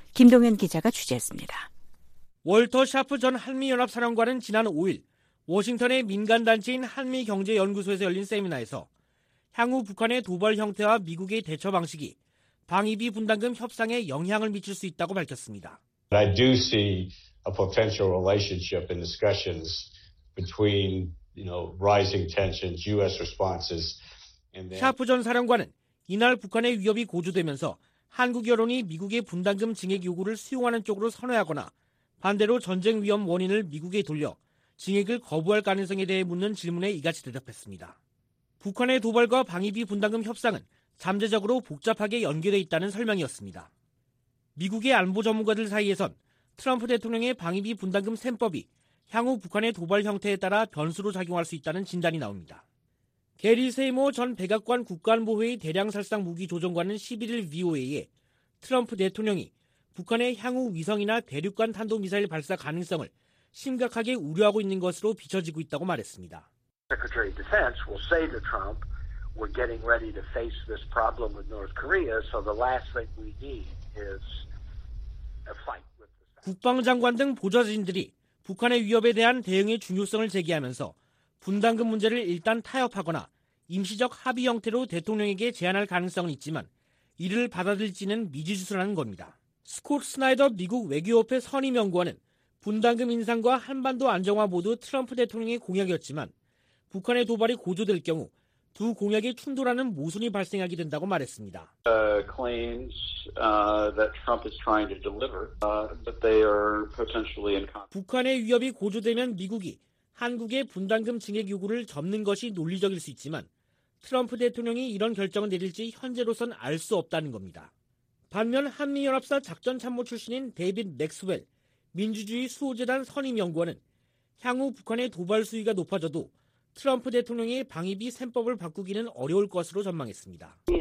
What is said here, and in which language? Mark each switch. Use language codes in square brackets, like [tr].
[ko] 김동현 기자가 취재했습니다. 월터 샤프 전 한미연합사령관은 지난 5일 워싱턴의 민간단체인 한미경제연구소에서 열린 세미나에서 향후 북한의 도발 형태와 미국의 대처 방식이 방위비 분담금 협상에 영향을 미칠 수 있다고 밝혔습니다. [en] I do see a potential relationship in discussions between, you know, rising tensions, U.S. responses. [ko] 샤프 전 사령관은 이날 북한의 위협이 고조되면서 한국 여론이 미국의 분담금 증액 요구를 수용하는 쪽으로 선회하거나 반대로 전쟁 위험 원인을 미국에 돌려 증액을 거부할 가능성에 대해 묻는 질문에 이같이 대답했습니다. 북한의 도발과 방위비 분담금 협상은 잠재적으로 복잡하게 연계돼 있다는 설명이었습니다. 미국의 안보 전문가들 사이에선 트럼프 대통령의 방위비 분담금 셈법이 향후 북한의 도발 형태에 따라 변수로 작용할 수 있다는 진단이 나옵니다. 게리 세이모 전 백악관 국가안보회의 대량살상 무기 조정관은 11일 VOA에 트럼프 대통령이 북한의 향후 위성이나 대륙간 탄도미사일 발사 가능성을 심각하게 우려하고 있는 것으로 비춰지고 있다고 말했습니다. [en] Secretary of Defense will say to Trump, we're getting ready to face this problem with North Korea, so the last thing we need is a fight with the South. [ko] 국방장관 등 보좌진들이 북한의 위협에 대한 대응의 중요성을 제기하면서 분담금 문제를 일단 타협하거나 임시적 합의 형태로 대통령에게 제안할 가능성은 있지만 이를 받아들일지는 미지수라는 겁니다. 스콧 스나이더 미국 외교협회 선임 연구원은 분담금 인상과 한반도 안정화 모두 트럼프 대통령의 공약이었지만 북한의 도발이 고조될 경우 두 공약이 충돌하는 모순이 발생하게 된다고 말했습니다. [en] Claims that Trump is trying to deliver, but they are potentially in conflict. [ko] 북한의 위협이 고조되면 미국이 한국의 분담금 증액 요구를 접는 것이 논리적일 수 있지만 트럼프 대통령이 이런 결정을 내릴지 현재로선 알 수 없다는 겁니다. 반면 한미연합사 작전참모 출신인 데이빗 맥스웰 민주주의 수호재단 선임연구원은 향후 북한의 도발 수위가 높아져도 트럼프 대통령의 방위비 셈법을 바꾸기는 어려울 것으로 전망했습니다.